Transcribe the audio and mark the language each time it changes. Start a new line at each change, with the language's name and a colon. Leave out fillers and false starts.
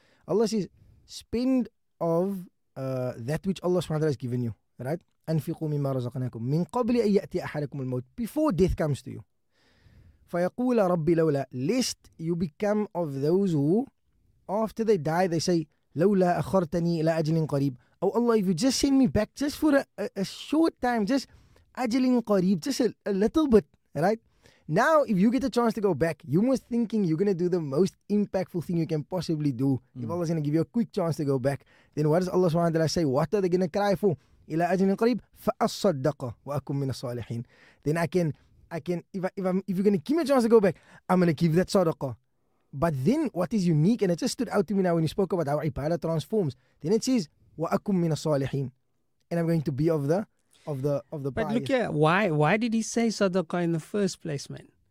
English: Allah says, spend of that which Allah SWT has given you, right?
Arabic: أَنْفِقُوا مِمَّا رَزَقْنَاكُمْ مِنْ قَبْلِ أَنْ يَأْتِي أَحَدَكُمُ الْمَوْتِ,
English: before death comes to you.
Arabic: فَيَقُولَ رَبِّ لَوْلَا,
English: lest you become of those who, after they die, they say,
Arabic: لولا أخرتني إلى أجل قريب.
English: Oh Allah, if you just send me back just for a short time, just
Arabic: أجل قريب,
English: just a little bit, right? Now, if you get a chance to go back, you must thinking you're going to do the most impactful thing you can possibly do. Mm. If Allah's going to give you a quick chance to go back, then what does Allah subhanahu wa ta'ala say? What are they going to cry for?
Arabic: إلى أجل قريب فأصدق وأكون من الصالحين.
English: Then I can if you're going to give me a chance to go back, I'm going to give that sadaqah. But then what is unique, and it just stood out to me now when you spoke about how ibadah transforms, then it says
Arabic: وَأَكُمْ مِنَ الصَّالِحِينَ,
English: and I'm going to be of the pious. But look here, why did he say sadaqah in the first place, man?